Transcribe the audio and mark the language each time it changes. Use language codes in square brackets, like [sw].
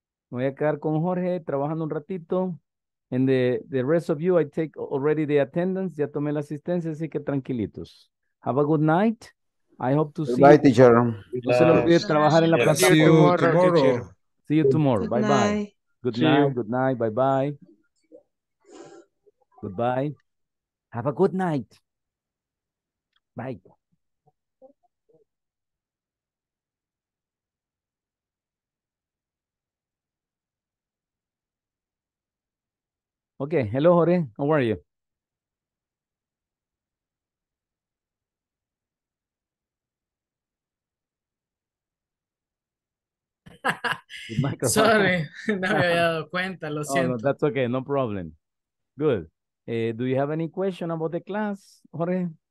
[es] Voy a quedar con Jorge trabajando un ratito. [en] And the rest of you, I take already the attendance. [es] Ya tomé la asistencia, así que tranquilitos. [en] Have a good night. I hope to see you. Bye, teacher. [es] No se lo olvide trabajar en la plaza. [en] See you tomorrow. See you tomorrow. Bye bye. Good night. Good night. Bye bye. Goodbye. Have a good night. Bye. Okay, hello Jorge, how are you? [es] Sorry, no me había dado cuenta, lo siento. [en] No, that's okay, no problem. Good. Do you have any question about the class, Jorge?